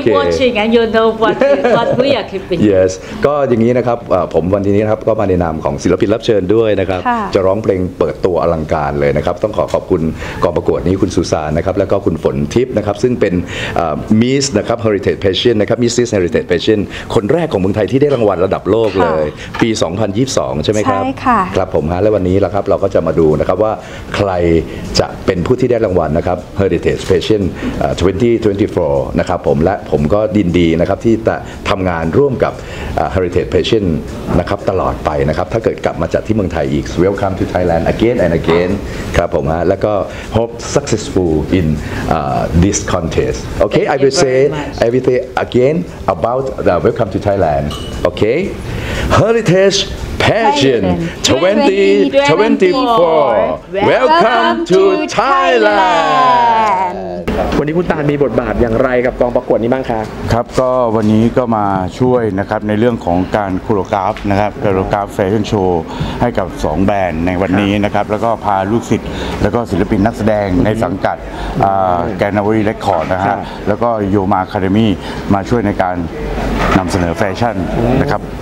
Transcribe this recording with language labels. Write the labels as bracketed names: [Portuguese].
[English] Keep watching, and you'll know what we are keeping. Yes. [Thai] ก็อย่างนี้นะครับผมวันนี้นะครับก็มาในนามของศิลปินรับเชิญด้วยนะครับจะร้องเพลงเปิดตัวอลังการเลยนะครับต้องขอขอบคุณกองประกวดนี้คุณสุสานนะครับแล้วก็คุณฝนทิพย์นะครับซึ่งเป็นมิสนะครับ Heritage Pageant นะครับ Mrs. Heritage Pageant คนแรกของเมืองไทยที่ได้รางวัลระดับโลกเลยปี2022ใช่ไหมครับ ใช่ค่ะ ครับผมฮะและวันนี้ล่ะครับเราก็จะมาดูนะครับว่าใครจะเป็นผู้ที่ได้รางวัลนะครับ Heritage Pageant 2024นะครับผมและผมก็ดีใจนะครับที่จะทำงานร่วมกับ Heritage Pageant นะครับตลอดไปนะครับถ้าเกิดกลับมาจัดที่เมืองไทยอีก Welcome to Thailand again and again ครับผมฮะแล้วก็ hope successful in this contest okay [English] Thank I will say everything again about the Welcome to Thailand okay Heritage Pageant 2024 Welcome to Thailand [Thai] วันนี้คุณตาลมีบทบาทอย่างไรกับกองประกวดนี้บ้างคะ ครับก็วันนี้ก็มาช่วยนะครับในเรื่องของการโคโรกราฟนะครับโคโรกราฟแฟชั่นโชว์ให้กับ2แบรนด์ในวันนี้นะครับแล้วก็พาลูกศิษย์แล้วก็ศิลปินนักแสดงในสังกัดแกนาวีเรคคอร์ดนะฮะแล้วก็โยมาอะคาเดมี่มาช่วยในการนำเสนอแฟชั่นนะครับ